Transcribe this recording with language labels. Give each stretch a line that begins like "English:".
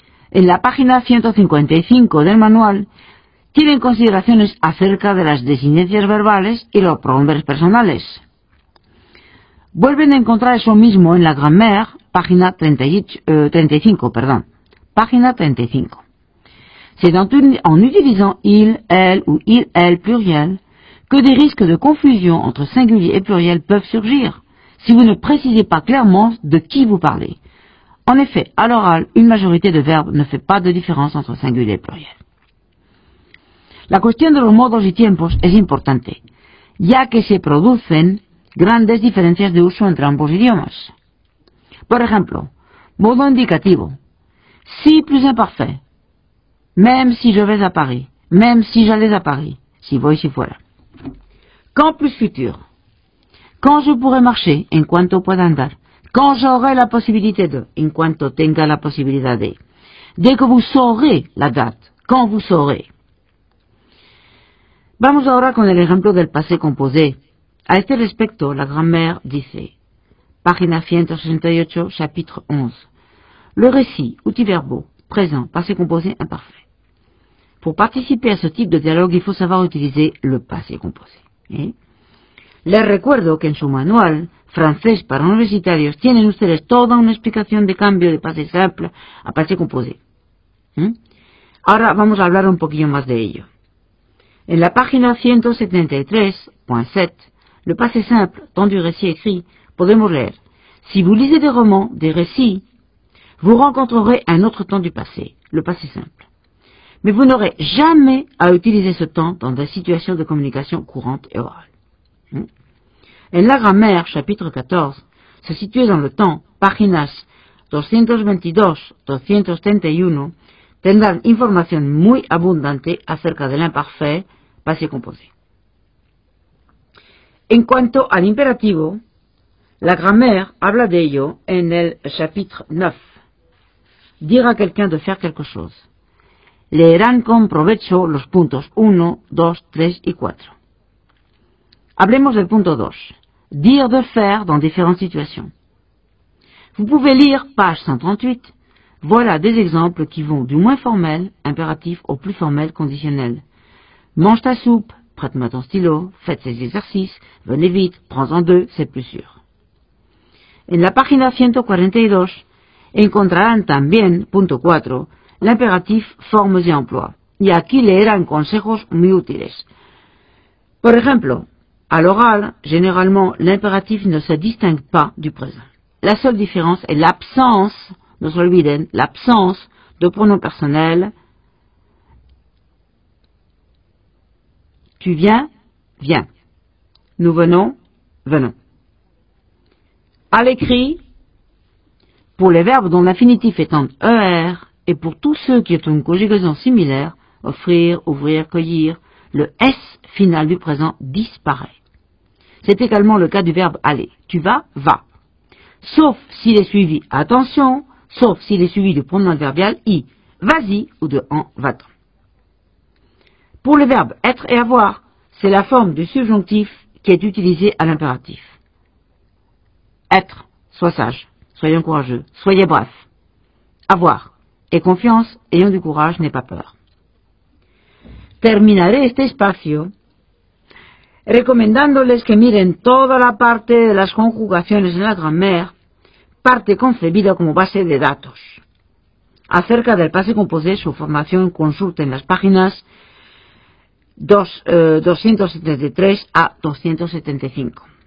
Spanish: En la página 155 del manual, tienen consideraciones acerca de las desinencias verbales y los pronombres personales. Vuelven a encontrar eso mismo en la grammaire, página 35.
French: C'est en utilisant il, elle ou il, elle pluriel que des risques de confusion entre singulier et pluriel peuvent surgir si vous ne précisez pas clairement de qui vous parlez. En effet, à l'oral, une majorité de verbes ne fait pas de différence entre singulier et pluriel.
Spanish: La cuestión de los modos y tiempos es importante, ya que se producen grandes diferencias de uso entre ambos idiomas. Por ejemplo, modo indicativo.
French: Si plus imparfait. Même si je vais à Paris. Même si j'allais à Paris.
Spanish: Si voy, si fuera.
French: Quand plus futur. Quand je pourrai marcher,
Spanish: en cuanto pueda andar.
French: Quand j'aurai la possibilité de,
Spanish: en cuanto tenga la posibilidad de.
French: Dès que vous saurez la date, quand vous saurez.
Spanish: Vamos ahora con el ejemplo del passé composé. A este respecto, la grammaire dice, página 168,
French: chapitre 11, le récit, outil verbaux, présent, passé composé, imparfait. Pour participer à ce type de dialogue, il faut savoir utiliser le passé composé.
Spanish: Les recuerdo que en su manual francés para universitarios tienen ustedes toda una explicación de cambio de pase simple a pase composé. Ahora vamos a hablar un poquillo más de ello. En la página 173.7,
French: le pase simple, tant du récit écrit,
Spanish: podemos leer:
French: si vous lisez des romans, des récits, vous rencontrerez un autre temps du passé, le passé simple. Mais vous n'aurez jamais à utiliser ce temps dans des situations de communication courante et orale.
Spanish: En la grammaire, chapitre 14,
French: se situe dans le temps,
Spanish: páginas 222-231, tendrán información muy abundante acerca del imparfait, passé composé. En cuanto al imperativo, la grammaire habla de ello en el chapitre 9.
French: dire a quelqu'un de faire quelque chose.
Spanish: Leerán con provecho los puntos 1, 2, 3 y 4. Hablemos del punto 2.
French: Dire de faire dans différentes situations. Vous pouvez lire page 138. Voilà des exemples qui vont du moins formel, impératif, au plus formel, conditionnel. Mange ta soupe, prête-moi ton stylo, faites ces exercices, venez vite, prends-en deux, c'est plus sûr.
Spanish: En la página 142, encontrarán también, punto 4, l'impératif formes y emplois. Y aquí leerán consejos muy útiles. Por ejemplo,
French: à l'oral, généralement, l'impératif ne se distingue pas du présent. La seule différence est l'absence,
Spanish: no se olviden,
French: l'absence de pronom personnel. Tu viens, viens. Nous venons, venons. À l'écrit, pour les verbes dont l'infinitif est en ER, et pour tous ceux qui ont une conjugaison similaire, offrir, ouvrir, cueillir, le S final du présent disparaît. C'est également le cas du verbe aller. Tu vas, va. Sauf s'il est suivi, attention, sauf s'il est suivi du pronom adverbial I, vas-y, ou de en, va-t'en. Pour le verbe être et avoir, c'est la forme du subjonctif qui est utilisée à l'impératif. Être, sois sage, soyons courageux, soyez bref. Avoir, et confiance, ayons du courage, n'aie pas peur.
Spanish: Terminaré este espacio recomendándoles que miren toda la parte de las conjugaciones en la grammaire, parte concebida como base de datos. Acerca del pase composé, su formación, consulten las páginas 273 a 275.